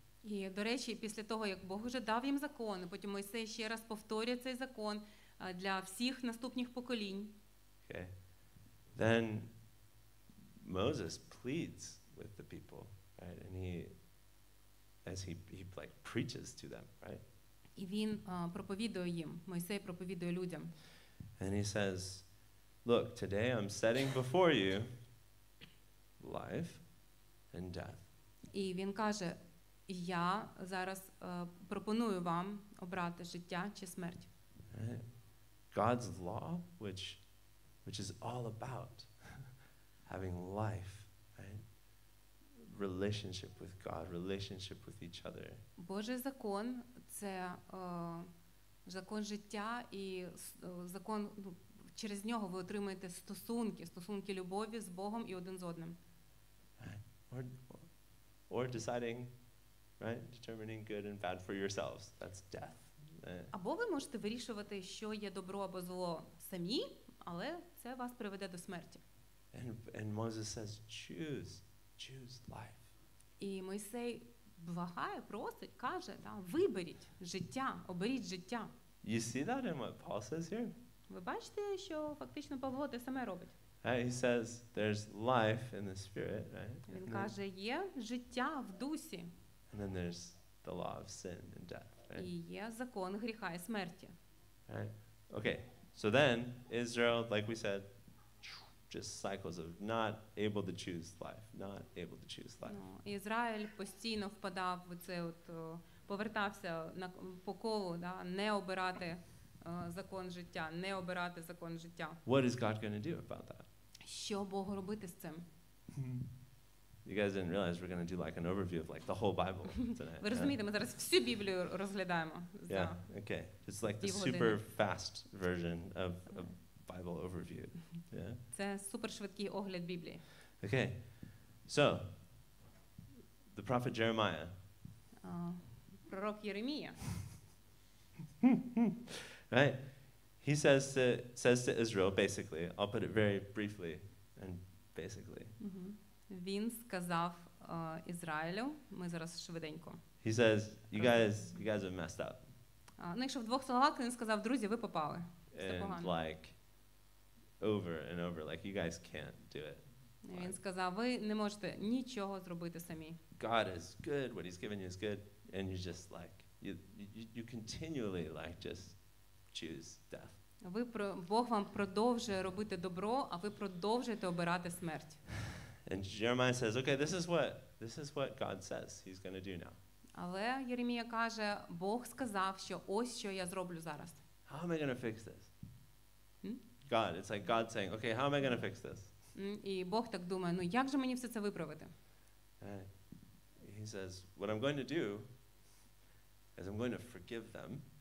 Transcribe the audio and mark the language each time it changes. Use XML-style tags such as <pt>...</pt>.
<uk>І, до речі, після того, як Бог уже дав їм закон, потім Мойсей ще раз повторює цей закон для всіх наступних поколінь.</uk> <en>Okay. Then Moses pleads with the people, right? And he preaches to them, right?</en> <uk>І він проповідує їм, Мойсей проповідує людям.</uk> <en>And he says, look, today I'm setting before you life and death.</en> <uk>І він каже, я зараз пропоную вам обрати життя чи смерть.</uk> <en>God's law, which is all about having life, right? Relationship with God, relationship with each other.</en> <uk>Божий закон – це закон життя, і закон, через нього ви отримуєте стосунки любові з Богом і один з одним.</uk> <en>Or deciding, right? Determining good and bad for yourselves. That's death.</en> <uk>Або ви можете вирішувати, що є добро або зло самі, але це вас приведе до смерті.</uk> <en>And Moses says, choose life.</en> <uk>І Мойсей благає, просить, каже, да, виберіть життя, оберіть життя.</uk> <en>You see that in what Paul says here?</en> <uk>Ви бачите, що фактично Павло те саме робить?</uk> <en>He says there's life in the spirit, right?</en> <uk>Він каже, є життя в дусі.</uk> <en>And then there's the law of sin and death, right?</en> <uk>І є закон гріха і смерті.</uk> <en>Right? Okay. So then Israel, like we said, just cycles of not able to choose life, not able to choose life.</en> <uk>Ізраїль постійно впадав в це от повертався на по колу, да, не обирати закон життя, не обирати закон життя.</uk> <en>What is God going to do about that?</en> <uk>Що Бог робити з цим?</uk> <en>You guys didn't realize we're going to do like an overview of like the whole Bible tonight.</en> <uk>Ви розумієте, ми зараз всю Біблію розглядаємо.</uk> <en>Yeah, okay. It's like the super fast version of a Bible overview. Yeah.</en> <uk>Це супер швидкий огляд Біблії.</uk> <en>Okay. So, the prophet Jeremiah.</en> <uk>Пророк Єремія.</uk> <en>Right? He says to Israel, basically, I'll put it very briefly and basically.</en> <uk>Він сказав Ізраїлю, ми зараз швиденько.</uk> <en>He says, you guys have messed up.</en> <uk>Ну, якщо в двох словах, він сказав, друзі, ви попали.</uk> <en>And like, over and over, like, you guys can't do it.</en> <uk>Він сказав, ви не можете нічого зробити самі.</uk> <en>God is good, what he's given you is good, and you just like, you continually like, just choose death.</en> <uk>Ви про Бог вам продовжує робити добро, а ви продовжуєте обирати смерть.</uk> <en>And Jeremiah says, okay, this is what God says he's going to do now.</en> <uk>Але Єремія каже, Бог сказав, що ось що я зроблю зараз.</uk> <en>How am I going to fix this? God, it's like God saying, okay, how am I going to fix this?</en> <uk>І Бог так думає, ну як же мені все це виправити?</uk> <en>He says, what I'm going to do is I'm going to forgive them.</en>